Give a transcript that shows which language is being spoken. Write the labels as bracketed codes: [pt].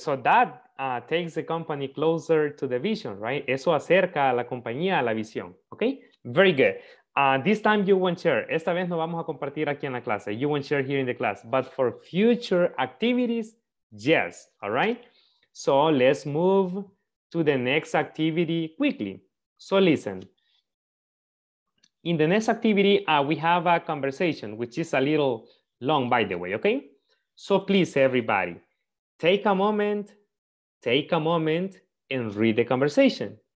[en] So that takes the company closer to the vision, right? [es] Eso acerca a la compañía a la visión. Okay, very good. This time you won't share. Esta vez no vamos a compartir aquí en la clase. [en] You won't share here in the class. But for future activities, yes. All right? So let's move to the next activity quickly. So listen. In the next activity, we have a conversation, which is a little long, by the way, okay? So please, everybody, take a moment and read the conversation.